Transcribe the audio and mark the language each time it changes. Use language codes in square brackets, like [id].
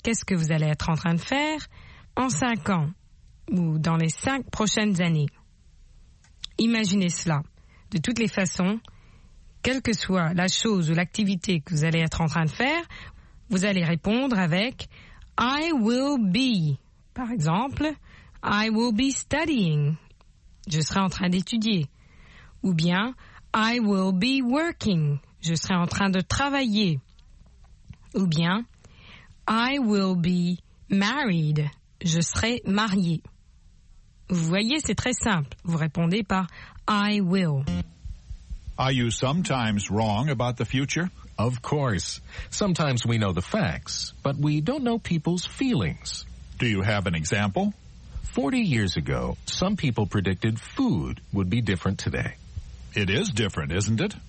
[fr] Qu'est-ce que vous allez être en train de faire en 5 ans? Ou dans les 5 prochaines années? Imaginez cela. De toutes les façons, quelle que soit la chose ou l'activité que vous allez être en train de faire, vous allez répondre avec [en] I will be. [fr] Par exemple, [en] I will be studying. [fr] Je serai en train d'étudier. Ou bien, [en] I will be working. [fr] Je serai en train de travailler. Ou bien, [en] I will be married. [fr] Je serai marié. Vous voyez, c'est très simple. Vous répondez par [en] I will. Are you sometimes wrong about the future? Of course. Sometimes we know the facts, but we don't know people's feelings. Do you have an example? 40 years ago, some people predicted food would be different today. It is different, isn't it?